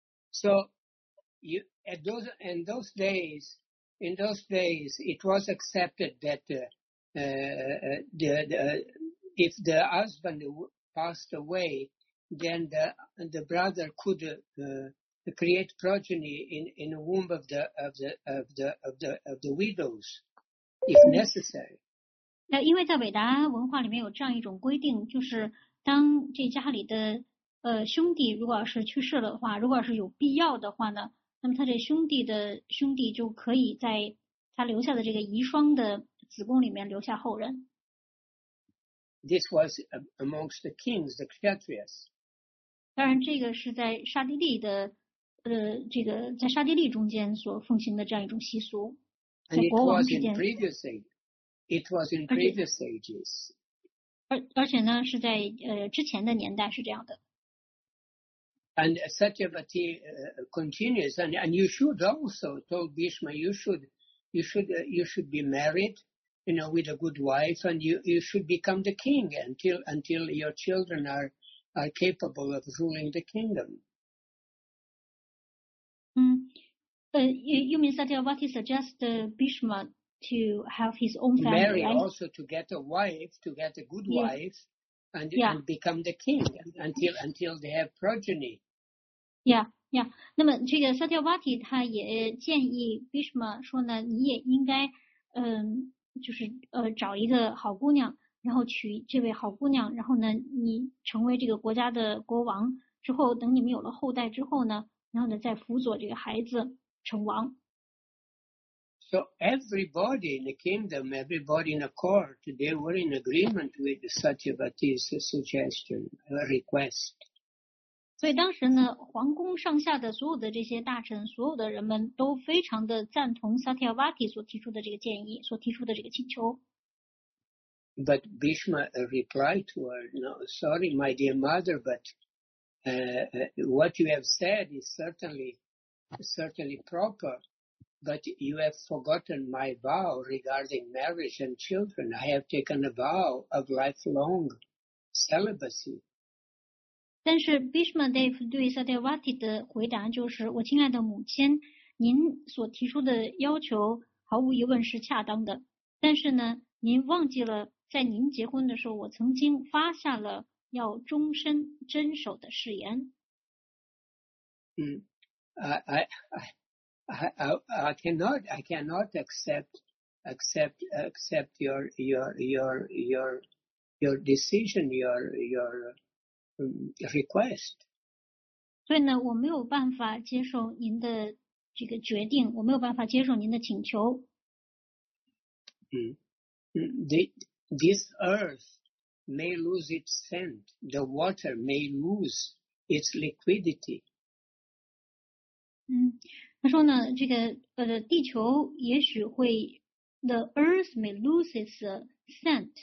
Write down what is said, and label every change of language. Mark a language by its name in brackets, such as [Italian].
[English] So, you at those in those days, in those days, it was accepted that if the husband passed away, then the brother could create progeny in the womb of the widows, if necessary. [Chinese] 那因为在伟达文化里面有这样一种规定，就是当这家里的兄弟如果要是去世了的话，如果要是有必要的话呢，那么他这兄弟的兄弟就可以在他留下的这个遗孀的子宫里面留下后人。 [English] This was amongst the kings, the Kshatriyas. [Chinese] 当然，这个是在沙地利的这个在沙地利中间所奉行的这样一种习俗，在国王之间。 [English] It was in previous ages. [Chinese] 而且呢，是在之前的年代是这样的。 [English] And Satyavati continues, and you should also told Bhishma, you should be married, you know, with a good wife, and you should become the king until your children are capable of ruling the kingdom. You mean Satyavati suggests Bhishma. To have his own family, marry right? also to get a wife, to get a good yes. wife, and, yeah. and become the king until they have progeny. Yeah, yeah. [Chinese] 那么这个 Satyavati 他也建议 Bhishma 说呢，你也应该就是找一个好姑娘，然后娶这位好姑娘，然后呢，你成为这个国家的国王之后，等你们有了后代之后呢，然后呢，再辅佐这个孩子成王。 [English] So everybody in the kingdom, everybody in the court, they were in agreement with Satyavati's suggestion, request. [Chinese] 所以当时呢，皇宫上下的所有的这些大臣，所有的人们都非常的赞同 Satyavati 所提出的这个建议，所提出的这个请求。 [English] But Bhishma replied to her, "No, sorry, my dear mother, but what you have said is certainly proper." But you have forgotten my vow regarding marriage and children. I have taken a vow of lifelong celibacy. [Chinese] 但是 Bhishma Dev 对 Satyavati 的回答就是：我亲爱的母亲，您所提出的要求毫无疑问是恰当的。但是呢，您忘记了在您结婚的时候，我曾经发下了要终身遵守的誓言。 [English] I cannot. I cannot accept your decision. Your request. [Chinese] 所以呢，我没有办法接受您的这个决定。我没有办法接受您的请求。 [English] This earth may lose its scent. The water may lose its liquidity. [Chinese] 他说呢，这个地球也许会 ， [English] the earth may lose its scent，